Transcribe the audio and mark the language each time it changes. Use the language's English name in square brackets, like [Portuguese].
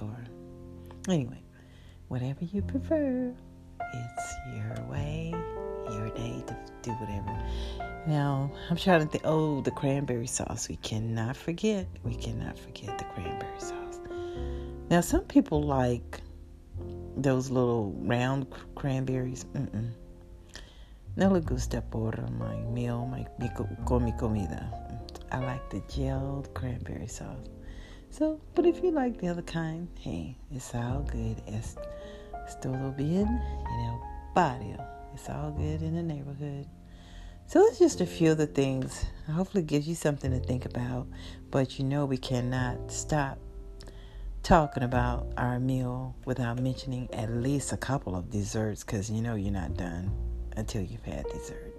[English] Or anyway, whatever you prefer, it's your way, your day to do whatever. Now, I'm trying to think, oh, the cranberry sauce. We cannot forget the cranberry sauce. Now, some people like those little round cranberries. Mm-mm. [Spanish] No le gusta por [English] my meal, [Spanish] mi comida. [English] I like the gelled cranberry sauce. So, but if you like the other kind, hey, it's all good. [Spanish] Es todo bien, [English] you know, barrio. It's all good in the neighborhood. So it's just a few of the things. Hopefully it gives you something to think about. But you know we cannot stop talking about our meal without mentioning at least a couple of desserts, because you know you're not done until you've had dessert.